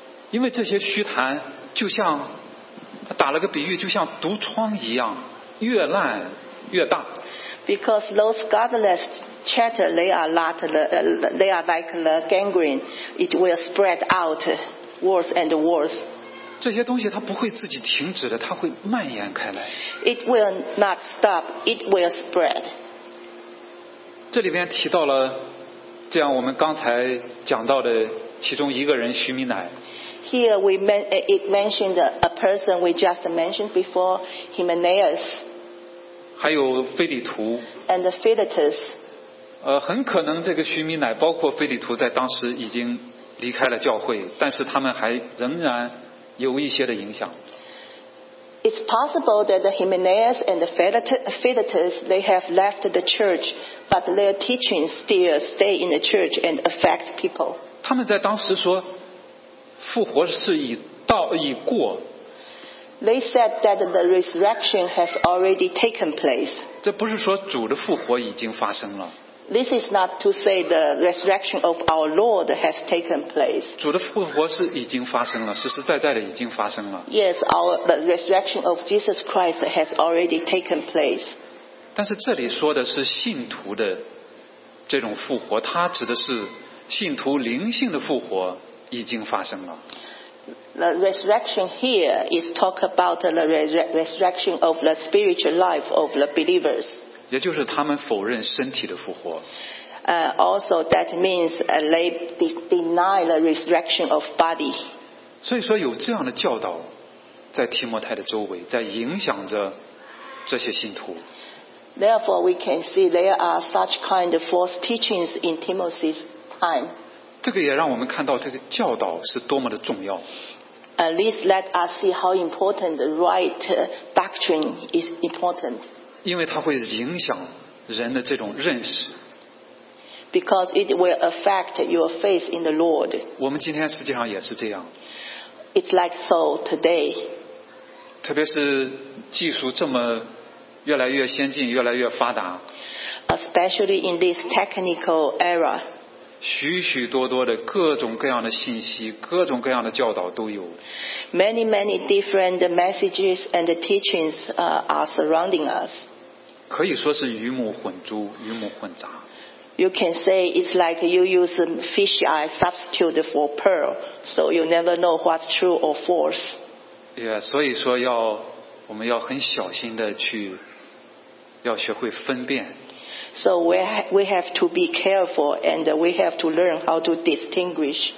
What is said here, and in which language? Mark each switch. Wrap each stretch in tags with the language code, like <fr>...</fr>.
<zh>因为这些虚谈。就像他打了个比喻，就像毒疮一样，越烂越大。</zh> <en>Because those godless chatter, they are like the gangrene. It will spread out worse and worse.</en> <zh>这些东西它不会自己停止的，它会蔓延开来。</zh> <en>It will not stop. It will spread.</en> <zh>这里边提到了，这样我们刚才讲到的其中一个人徐米乃。</zh> <en>Here we mentioned a person we just mentioned before, Hymenaeus.</en> <zh>还有腓力图。</zh> <en>And Philetus.</en> <zh>很可能这个徐米乃包括腓力图在当时已经离开了教会，但是他们还仍然有一些的影响。</zh> <en>It's possible that Hymenaeus and Philetus they have left the church, but their teachings still stay in the church and affect people.</en> <zh>他们在当时说。复活是已到已过。</zh> <en>They said that the resurrection has already taken place.</en> <zh>这不是说主的复活已经发生了。</zh> <en>This is not to say the resurrection of our Lord has taken place.</en> <zh>主的复活是已经发生了，实实在在的已经发生了。</zh> <en>Yes, the resurrection of Jesus Christ has already taken place.</en> <zh>但是这里说的是信徒的这种复活，它指的是信徒灵性的复活。已经发生了。</zh> <en>The resurrection here is talk about the resurrection of the spiritual life of the believers.</en> <zh>也就是他们否认身体的复活。</zh> <en>Also, that means they deny the resurrection of body.</en> <zh>所以说有这样的教导在提摩太的周围，在影响着这些信徒。</zh> <en>Therefore, we can see there are such kind of false teachings in Timothy's time.</en> <zh>这个也让我们看到这个教导是多么的重要。</zh> <en>At least let us see how important the right doctrine is important.</en> <zh>因为它会影响人的这种认识。</zh> <en>Because it will affect your faith in the Lord.</en> <zh>我们今天实际上也是这样。</zh> <en>It's like so today.</en> <zh>特别是技术这么越来越先进，越来越发达。</zh> <en>Especially in this technical era.</en> <zh>许许多多的各种各样的信息，各种各样的教导都有。</zh> <en>Many, many different messages and teachings are surrounding us.</en> <zh>可以说是鱼目混珠，鱼目混杂。</zh> <en>You can say it's like you use fish eye substitute for pearl, so you never know what's true or false.</en> <zh>Yeah, 所以说要，我们要很小心的去，要学会分辨。</zh> <en>So we have to be careful and we have to learn how to distinguish.</en>